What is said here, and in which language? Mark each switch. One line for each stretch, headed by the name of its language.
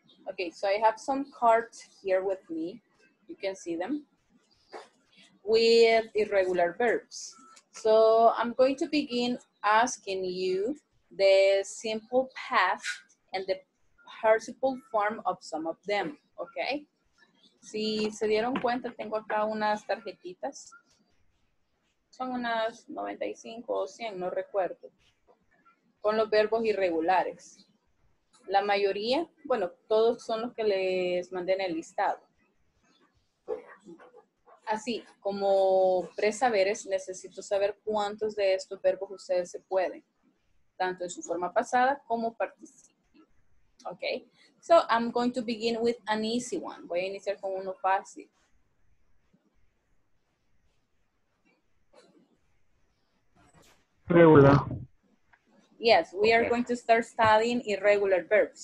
English: Okay, so I have some cards here with me. You can see them. With irregular verbs. So I'm going to begin asking you the simple past and the participle form of some of them, okay?
Spanish: Si se dieron cuenta, tengo acá unas tarjetitas. Son unas 95 o 100, no recuerdo. Con los verbos irregulares. La mayoría, bueno, todos son los que les mandé en el listado. Así, como presaberes, necesito saber cuántos de estos verbos ustedes se pueden. Tanto en su forma pasada como participio.
English: Okay, so I'm going to begin with an easy one.
Spanish: Voy a iniciar con uno fácil.
English: Regular. Yes, we are going to start studying irregular verbs.